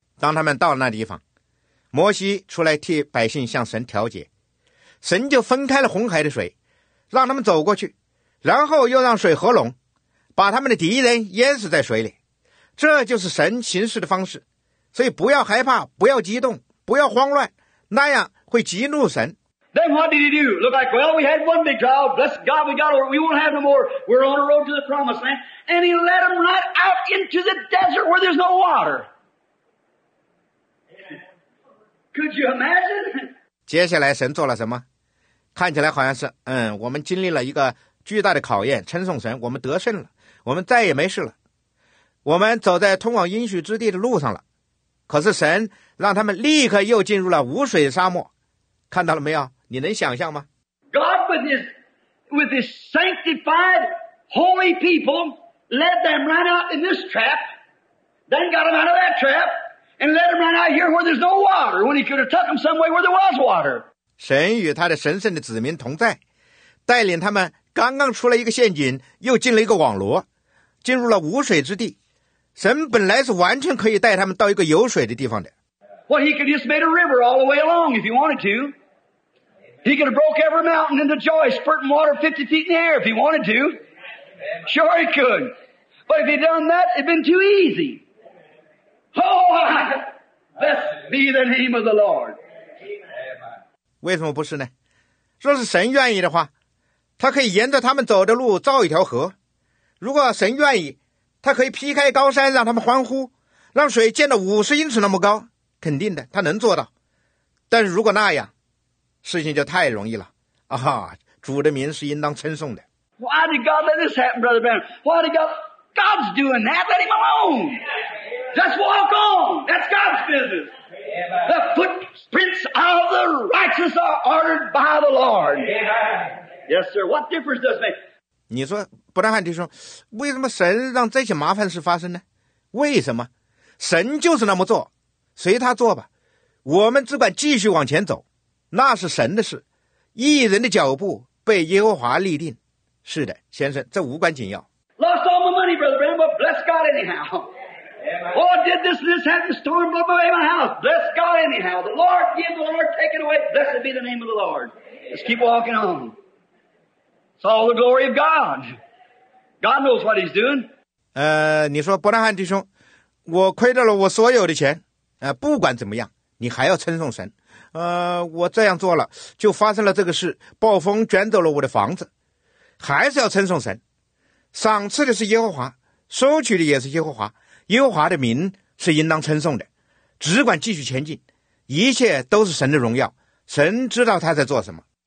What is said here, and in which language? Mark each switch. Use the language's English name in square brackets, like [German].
[Chinese] 当他们到那地方，摩西出来替百姓向神调解，神就分开了红海的水，让他们走过去，然后又让水合拢，把他们的敌人淹死在水里。这就是神行事的方式，所以不要害怕，不要激动，不要慌乱，那样会激怒神。 [English] Then what did he do? Look like, well, we had one big trial. Bless God, we got over. We won't have no more. We're on the road to the promised land. And he led them right out into the desert where there's no water. Could you imagine? [Chinese] 接下来神做了什么？看起来好像是，嗯，我们经历了一个巨大的考验，称颂神，我们得胜了，我们再也没事了，我们走在通往应许之地的路上了。可是神让他们立刻又进入了无水沙漠，看到了没有？你能想象吗？ [English] God with his sanctified holy people led them right out in this trap, then got them out of that trap, and led them right out here where there's no water, when he could have took them some way where there was water. [Chinese] 神与他的神圣的子民同在，带领他们刚刚出了一个陷阱，又进了一个网罗，进入了无水之地。神本来是完全可以带他们到一个有水的地方的。 [English] Well, he could have just made a river all the way along if he wanted to. He could have broke every mountain into joy, spurting water 50 feet in the air if he wanted to. Sure he could. But if he'd done that, it'd been too easy. Oh, blessed be the name of the Lord. [Chinese] 为什么不是呢？若是神愿意的话，他可以沿着他们走的路造一条河。如果神愿意，他可以劈开高山让他们欢呼，让水溅到50英尺那么高，肯定的，他能做到。但是如果那样，事情就太容易了。啊，主的名是应当称颂的。 [English] Why did God let this happen, Brother Branham? Why did God's doing that? Let him alone. Just walk on. That's God's business. The footprints of the righteous are ordered by the Lord. Yes, sir. What difference does it make? [Chinese] 你说，伯南汉弟兄，为什么神让这些麻烦事发生呢？为什么？神就是那么做，随他做吧。我们只管继续往前走，那是神的事。一人的脚步被耶和华立定。是的，先生，这无关紧要。 [English] Lost all my money, Brother Branham, but bless God anyhow. Oh, did this happen? Storm blew away my house. Bless God anyhow. The Lord give, the Lord take it away. Blessed be the name of the Lord. Let's keep walking on. It's all the glory of God. God knows what he's doing. [Chinese] 你说伯南汉弟兄，我亏掉了我所有的钱，不管怎么样，你还要称颂神。我这样做了，就发生了这个事，暴风卷走了我的房子，还是要称颂神。赏赐的是耶和华，收取的也是耶和华。耶和华的名是应当称颂的，只管继续前进，一切都是神的荣耀，神知道他在做什么。